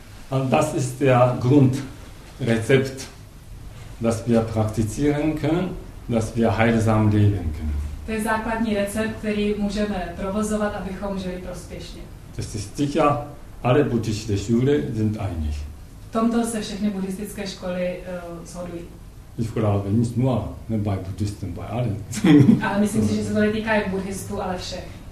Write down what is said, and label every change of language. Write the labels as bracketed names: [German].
[German] Und das ist der Grundrezept, das wir praktizieren können, dass wir heilsam leben können. [Czech] To je základní recept, který můžeme provozovat, abychom žili prospěšně. [German] Das ist sicher, alle buddhistische Schule sind einig. [Czech] V tomto se všechny buddhistické školy shodují. [German] Ich glaube, nicht nur bei Buddhisten, bei allen. [Czech] Ale myslím si, že se to netýká jak buddhistů, ale všech.